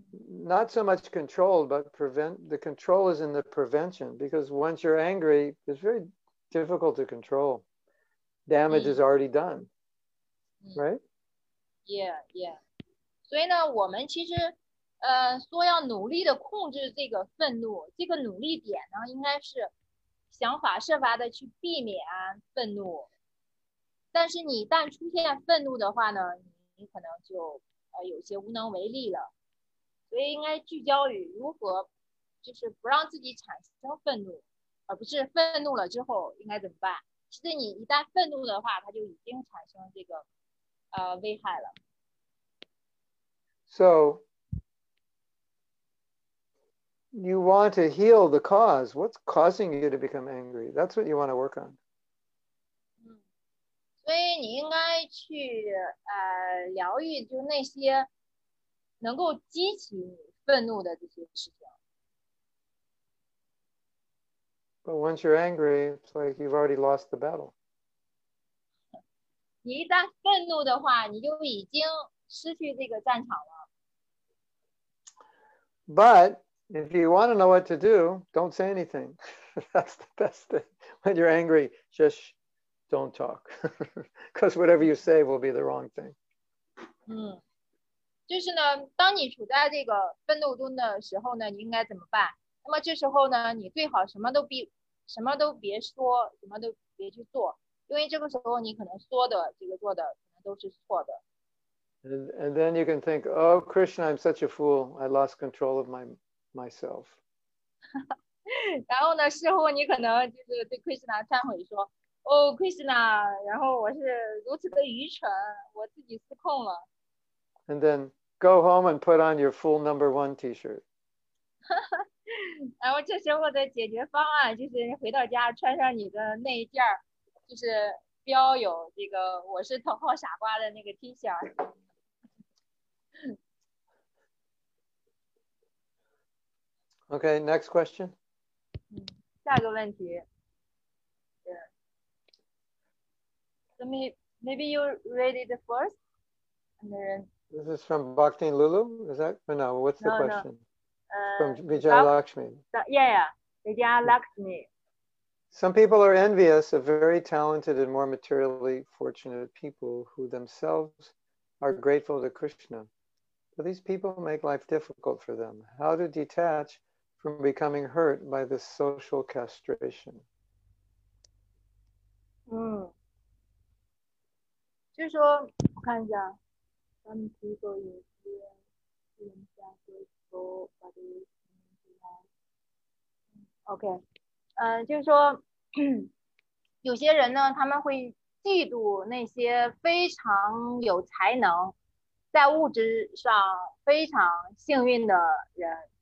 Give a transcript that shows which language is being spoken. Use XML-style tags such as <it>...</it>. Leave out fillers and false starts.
<en>Not so much controlled, but the control is in the prevention, because once you're angry, it's very difficult to control. Damage is already done. Right? Yeah, yeah.</en> <zh>所以呢，我们其实说要努力的控制这个愤怒，这个努力点呢，应该是想法设法的去避免愤怒，但是你一旦出现愤怒的话呢，你可能就有些无能为力了，所以应该聚焦于如何就是不让自己产生愤怒，而不是愤怒了之后应该怎么办。其实你一旦愤怒的话，它就已经产生这个危害了。</zh> <en>So you want to heal the cause. What's causing you to become angry? That's what you want to work on.</en> <zh>所以你应该去疗愈就那些能够激起你愤怒的这些事情。</zh> <en>But once you're angry, it's like you've already lost the battle.</en> <zh>你一旦愤怒的话，你就已经失去这个战场了。</zh> <en>But if you want to know what to do, don't say anything. That's the best thing. When you're angry, just don't talk. Because whatever you say will be the wrong thing.</en> <zh>就是呢，当你处在这个愤怒中的时候呢，你应该怎么办？那么这时候呢，你最好什么都别说，什么都别去做，因为这个时候你可能说的这个做的可能都是错的。</zh> <en>And then you can think, oh, Krishna, I'm such a fool. I lost control of myself.</en> <zh>然后呢，事后你可能就是对 Krishna 忏悔说 ，</zh> <en>Oh, Krishna,</en> <zh>然后我是如此的愚蠢，我自己失控了。</zh> <en>And then go home and put on your fool number one T-shirt.</en> <zh>然后这时候的解决方案就是回到家穿上你的那一件，就是标有这个我是头号傻瓜的那个 T-shirt。</zh> <en>Okay, next question.</en> <zh>下个问题。</zh> <en>Yeah. Maybe you read it first. And then... This is from Bhakti and Lulu? Is that? Or no, what's the no, question? No. From Vijayalakshmi. Vijayalakshmi. Some people are envious of very talented and more materially fortunate people who themselves are grateful to Krishna. But these people make life difficult for them. How to detach from becoming hurt by this social castration?</en> <zh>就是说，我看一下，当你提到有些人家会说把这个出来 ，OK， 就是说，有些人呢，他们会嫉妒那些非常有才能，在物质上非常幸运的人。</zh>